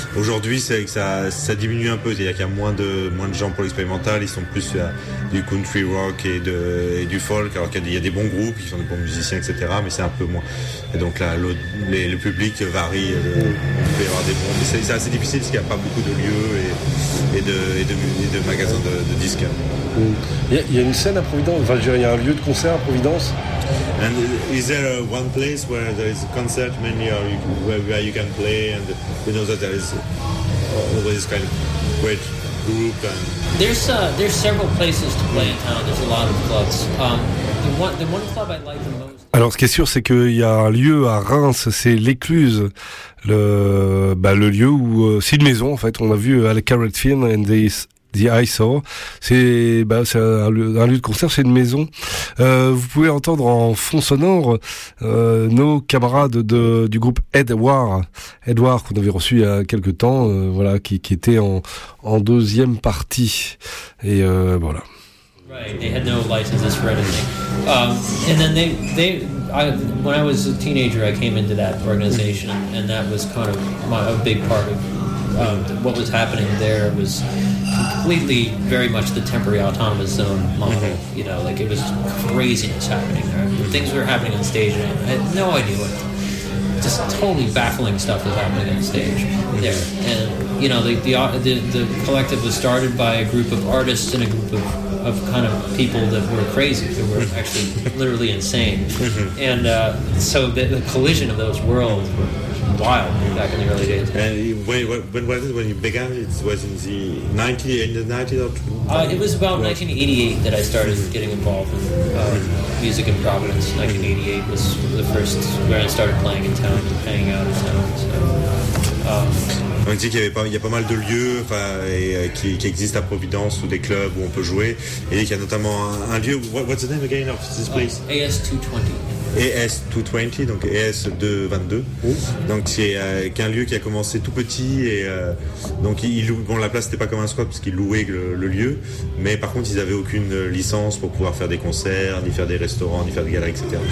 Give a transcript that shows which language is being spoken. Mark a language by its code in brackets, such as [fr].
[fr] Aujourd'hui, c'est vrai que ça diminue un peu, c'est-à-dire qu'il y a moins de gens pour l'expérimental, ils sont plus du country rock et du folk, alors qu'il y a des bons groupes, ils sont des bons musiciens, etc., mais c'est un peu moins. Et donc là, le public varie, il peut y avoir des bons. C'est assez difficile parce qu'il n'y a pas beaucoup de lieux et de magasins de disques. Il y a une scène à Providence, enfin, je veux dire, il y a un lieu de concert à Providence. [en] And is there one place where there is a concert mainly, or where you can play, and you know that there is always kind of great group? And there's several places to play in town. There's a lot of clubs. The one club I like the most. [fr] Alors, ce qui est sûr, c'est qu'il y a un lieu à Reims, c'est l'Écluse, le lieu où c'est une maison en fait. On a vu Al Carrot Film and the Eyesore. C'est un lieu de concert, c'est une maison. Vous pouvez entendre en fond sonore nos camarades du groupe Edward qu'on avait reçu il y a quelque temps, voilà, qui était en deuxième partie. Et voilà. [en] Right, they had no licenses for anything. And then when I was a teenager, I came into that organization, and that was kind of a big part of what was happening there. It was completely, very much the temporary autonomous zone model. You know, like, it was craziness happening there. Things were happening on stage, and I had no idea what. Just totally baffling stuff was happening on stage there. And, you know, the collective was started by a group of artists and a group of kind of people that were crazy, that were actually literally insane. And so the collision of those worlds were wild back in the early days. And when you began, it was in the 90s, in the 90s or 2000s? It was about 1988 that I started getting involved in music in Providence. 1988 was the first where I started playing in town and hanging out in town. [fr] On dit qu'il y avait pas mal de lieux, enfin, qui existent à Providence, ou des clubs où on peut jouer. Et il y a notamment un lieu. [en] What's the name again of this place? AS220, [fr] donc AS222. Donc c'est qu'un lieu qui a commencé tout petit, et donc la place n'était pas comme un squat parce qu'ils louaient le lieu, mais par contre ils avaient aucune licence pour pouvoir faire des concerts, ni faire des restaurants, ni faire des galas, etc.